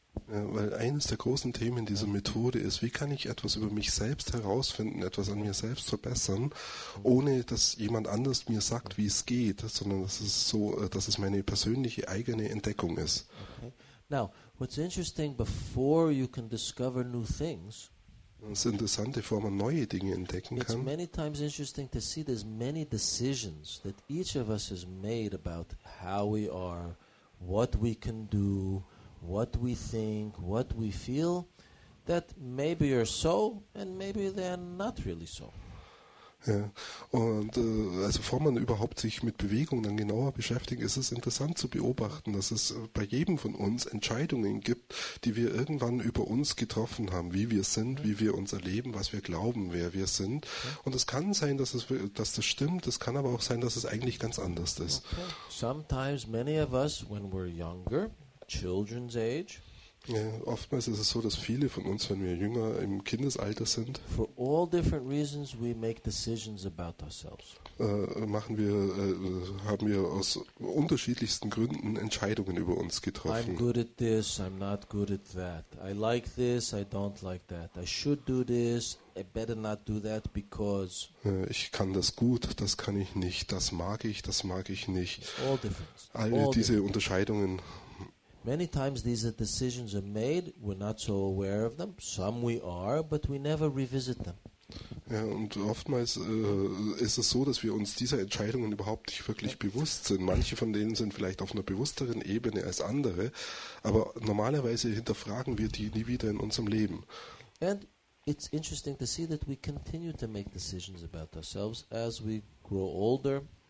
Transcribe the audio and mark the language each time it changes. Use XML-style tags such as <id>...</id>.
<de>Weil eines der großen Themen dieser Methode ist, wie kann ich etwas über mich selbst herausfinden, etwas an mir selbst verbessern, ohne dass jemand anders mir sagt, wie es geht, sondern dass es so, dass es meine persönliche eigene Entdeckung ist.</de> <en>Okay. Now, what's interesting, before you can discover new things,</en> <de>das Interessante, bevor man neue Dinge entdecken</de> <en>it's</en> <de>kann,</de> <en>it's many times interesting to see there's many decisions that each of us has made about how we are, what we can do, what we think, what we feel, that maybe are so, and maybe they are not really so.</en> <de>Ja, und also bevor man überhaupt sich mit Bewegung dann genauer beschäftigt, ist es interessant zu beobachten, dass es bei jedem von uns Entscheidungen gibt, die wir irgendwann über uns getroffen haben, wie wir sind, wie wir uns erleben, was wir glauben, wer wir sind. Und es kann sein, dass das stimmt, es kann aber auch sein, dass es eigentlich ganz anders ist.</de> <en>Okay. Sometimes many of us, when we're younger, children's age,</en> <de>Ja, oftmals ist es so, dass viele von uns, wenn wir jünger im Kindesalter sind,</de> <en>for all different reasons we make decisions about ourselves.</en> <de>Haben wir aus unterschiedlichsten Gründen Entscheidungen über uns</de> <en>I'm</en> <de>getroffen.</de> <en>good at this, I'm not good at that. I like this, I don't like that. I should do this, I better not do that because.</en> <de>Ich kann das gut, das kann ich nicht, das mag ich nicht.</de> <en>It's all different. All all</en> <de>diese</de> <en>different.</en> <de>Unterscheidungen.</de> <en>Many times these decisions are made, we're not so aware of them. Some we are, but we never revisit them.</en> <de>Ja, und oftmals ist es so, dass wir uns dieser Entscheidungen überhaupt nicht wirklich bewusst sind. Manche von denen sind vielleicht auf einer bewussteren Ebene als andere, aber normalerweise hinterfragen wir die nie wieder in unserem Leben.</de> <en>And it's interesting to see that we continue to make decisions about ourselves as we grow older.</en>